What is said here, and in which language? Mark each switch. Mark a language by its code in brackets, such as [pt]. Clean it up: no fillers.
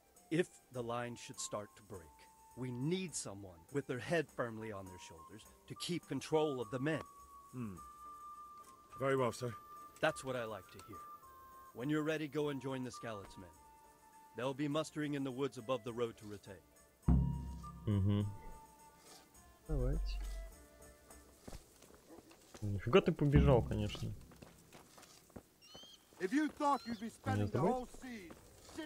[en] If the line should start to break, we need someone with their head firmly on their shoulders to keep control of the men. Very well, sir. That's what I like to hear. When you're ready, go and join the Scalets men. They'll be mustering in the woods above the road to Ratay. [ru] Давайте. Нифига ты побежал, конечно. [en] If you thought you'd be spending the whole season,